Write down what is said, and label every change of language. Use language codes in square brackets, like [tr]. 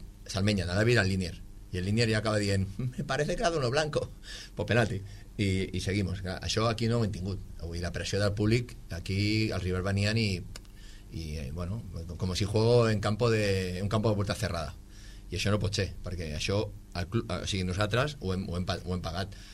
[ca] El menja de l'àrbit al línier. I el línier ja acaba dient, [es] me parece que [ca] ha donat blanco. [es] Pues penalti. [ca] I [es] seguimos. [ca] Això aquí no ho hem tingut. Avui la pressió del públic, aquí els rivals venien i... [es] Y bueno, como si juego en campo de un campo de puerta cerrada. Y eso [ca] no pot ser, perquè això al club, o sigui, nosaltres ho hem pagat.